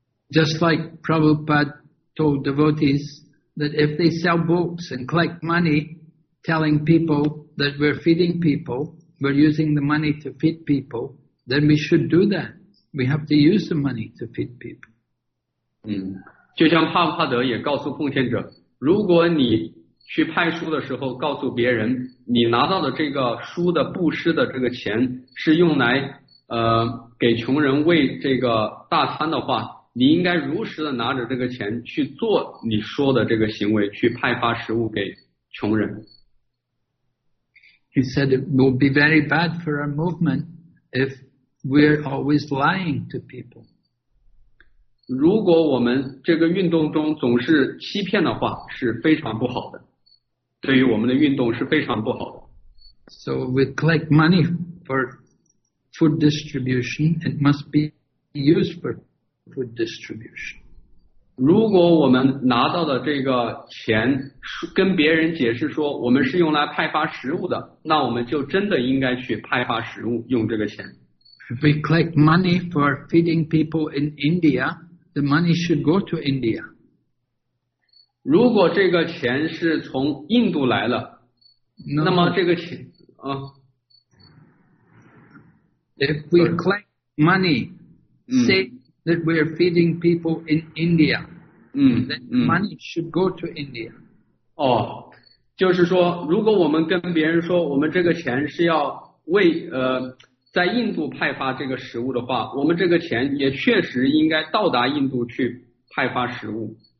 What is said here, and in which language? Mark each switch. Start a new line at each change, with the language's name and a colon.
English: Just like Prabhupada told devotees that if they sell books and collect money, telling people that we're feeding people, we're using the money to feed people, then we should do that. We have to use the money to feed people.
Chinese: 就像帕帕德也告诉奉献者，如果你去派书的时候告诉别人你拿到的这个书的布施的这个钱是用来给穷人喂这个大餐的话，你应该如实的拿着这个钱去做你说的这个行为，去派发食物给穷人。
English: He said it will be very bad for our movement if we're always lying to people.
Chinese: 如果我们这个运动中总是欺骗的话是非常不好的，对于我们的运动是非常不好的。
English: So we collect money for food distribution, it must be used for food distribution.
Chinese: 如果我们拿到的这个钱跟别人解释说我们是用来派发食物的，那我们就真的应该去派发食物用这个钱。
English: If we collect money for feeding people in India, the money should go to India.
Chinese: 如果这个钱是从印度来了，
English: no.
Chinese: 那么这个钱啊。
English: If we collect money, say that we are feeding people in India, then money should go to India. 哦，
Chinese: 就是说如果我们跟别人说我们这个钱是要为在印度派发这个食物的话，我们这个钱也确实应该到达印度去派发食物。